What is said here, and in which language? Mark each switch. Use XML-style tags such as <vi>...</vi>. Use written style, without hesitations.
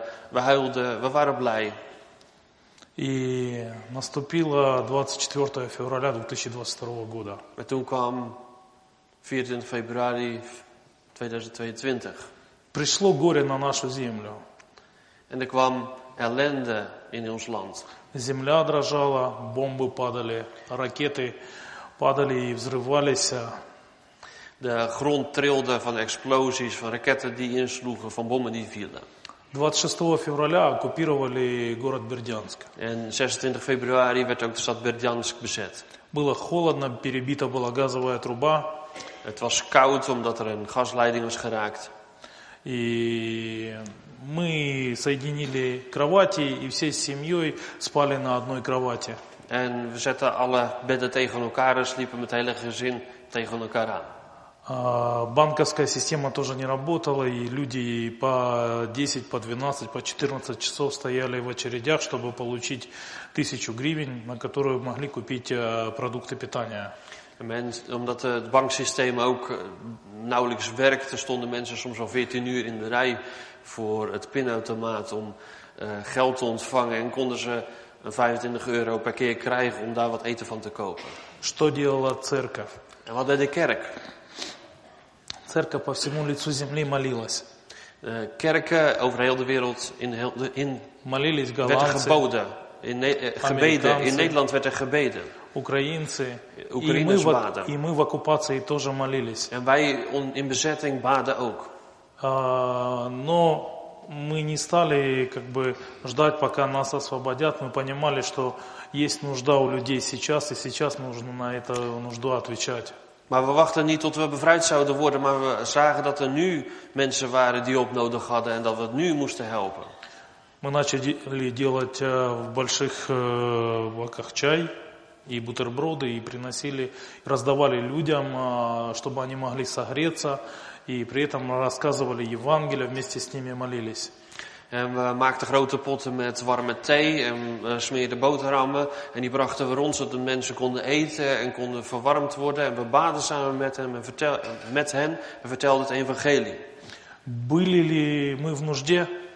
<nl>We huilden, we waren blij.</nl> <ru>И наступило 24 февраля 2022 года. Потом</ru> <nl>kwam</nl> <ru>24 февраля 2022. Пришло горе на нашу землю.</ru> <nl>En er kwam ellende in ons land.</nl> <ru>Земля дрожала, бомбы падали, ракеты падали и взрывались.</ru> <nl>De grond trilde van explosies, van raketten die insloegen, van bommen die vielen.</nl> <ru>26 февраля оккупировали город Бердянск.</ru> <nl>En 26 februari werd ook de stad Бердянск bezet.</nl> <ru>Было холодно, перебита была газовая труба.</ru> <nl>Het was koud omdat er een gasleiding was geraakt.</nl> <ru>И мы соединили кровати и всей семьей спали на одной кровати.</ru> <nl>En we zetten alle bedden tegen elkaar en sliepen met hele gezin tegen elkaar aan.</nl> <ru>Банковская система тоже не работала, и люди по 10, по 12, по 14 часов стояли в очередях, чтобы получить 1000 гривен, на которую могли купить продукты питания.</ru> <nl>Omdat het banksysteem ook nauwelijks werkte, stonden mensen soms al 14 uur in de rij voor het pinautomaat om geld te ontvangen en konden ze 25 euro per keer krijgen om daar wat eten van te kopen.</nl> <ru>Что делала церковь?</ru> <nl>En wat deed de kerk?</nl> <ru>Церковь по всему лицу земли молилась.</ru> <nl>Kerken over heel de wereld in</nl> <ru>молились голландцы,</ru> <nl>werden geboden. Gebeden. In Nederland werd er gebeden.</nl> <ru>Украинцы. Украинцы</ru> <nl>баден.</nl> <ru>И мы в оккупации тоже молились.</ru> <nl>En wij in bezetting baden ook.</nl> <ru>Но мы не стали как бы ждать, пока нас освободят. Мы понимали, что есть нужда у людей сейчас, и сейчас нужно на эту нужду отвечать.</ru> <nl>Maar we wachten niet tot we bevrijd zouden worden, maar we zagen dat er nu mensen waren die hulp nodig hadden en dat we het nu moesten helpen.</nl> <ru>Мы начали делать в больших баках чай и бутерброды и приносили, раздавали людям, чтобы они могли согреться и при этом рассказывали Евангелие, вместе с ними молились.</ru> <nl>En we maakten grote potten met warme thee en smeerden boterhammen. En die brachten we rond, zodat mensen konden eten en konden verwarmd worden. En we baden samen met hen en vertelden het evangelie.</nl> <ru>Были ли мы в нужде?</ru>